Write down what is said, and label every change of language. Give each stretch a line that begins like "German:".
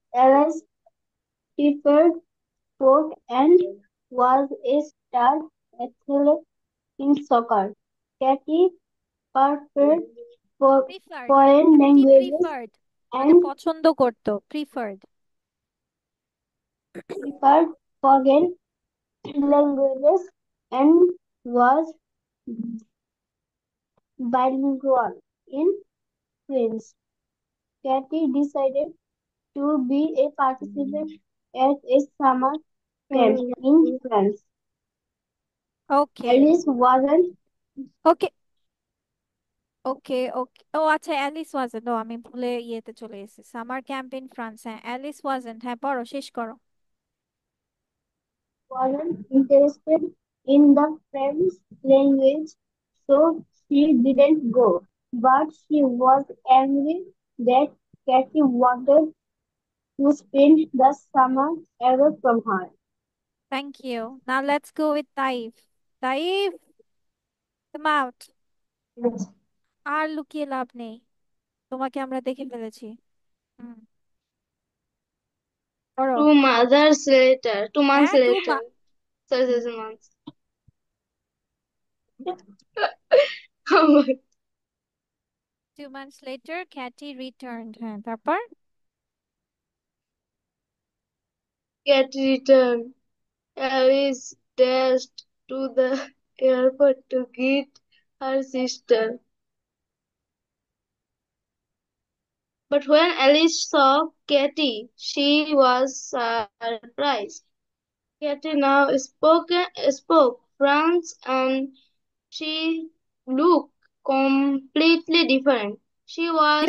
English: Alice preferred sport and was a star athlete in soccer. Katie preferred preferred, foreign
Bangla: কি
English: languages preferred মানে and
Bangla: পছন্দ করতো, preferred,
English: preferred foreign languages and was bilingual in French. Katie decided to be a participant at a summer camp in France. Okay Alice wasn't.
Bangla: ওকে ওকে ওকে ও আচ্ছা,
English: Alice wasn't,
Bangla: ও আমি ভুলে ইয়েতে চলে এসেছি,
English: summer camp in France,
Bangla: হ্যাঁ Alice wasn't, হ্যাঁ পড়ো, শেষ করো।
English: Wasn't interested in the French language, so she didn't go. But she was angry that Kathy wanted to spend the summer away from her. Thank you. না, let's go with Taif, Taif come out, Yes.
Bangla: আর লুকিয়ে লাভ নেই, তোমাকে আমরা দেখে ফেলেছি।
English: Two mothers later, 2 months
Bangla: হ্যাঁ, two
English: later. মা, Months. Oh my. Two months later Katie returned,
Bangla: হ্যাঁ তারপর
English: Cat returned. Alice dashed to the airport to greet her sister, but when Alice saw Katie she was surprise, Katie now spoke France and she look completely different, she was